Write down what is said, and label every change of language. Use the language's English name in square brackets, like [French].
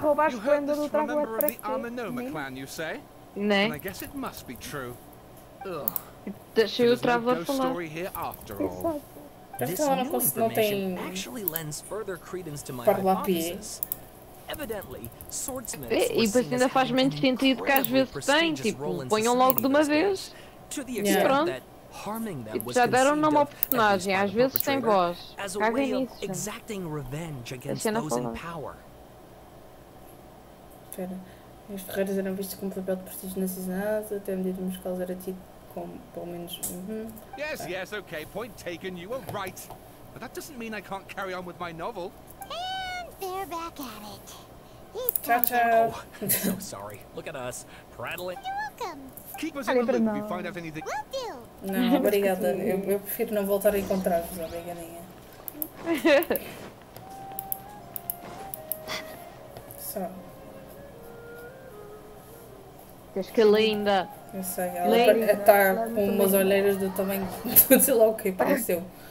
[English] You heard this from a member of the Amanoma clan, you say? Né. And I guess it must be true. Ugh. So there's no ghost story here after all. This new information actually lends further credence to my hypothesis. Evidently, swordsmiths were seen as having an incredibly prestigious role in society. [Portuguese] E depois ainda faz menos sentido que às vezes tem, tipo, ponham logo de uma vez. E pronto. E já deram nome ao personagem, às vezes tem voz. Caguem nisso. A cena fala. Espera. Os ferreiros eram vistos com papel de prestígio na cidade, até a medida musical era tido como, pelo menos... [English] Yes, yes, ok. Point taken, you are right. But that doesn't mean I can't carry on with my novel. And they're back at it. [Portuguese] Tchau, [English] tchau. Oh, so sorry. Look at us, prattling. You're welcome. Keep us in the loop if you find out anything. Will do. [Portuguese] Não, obrigada. Eu prefiro não voltar a encontrar-vos, obrigadinha. Só. Tens que linda. Eu sei, ela está com umas olheiras do tamanho de sei lá o que apareceu.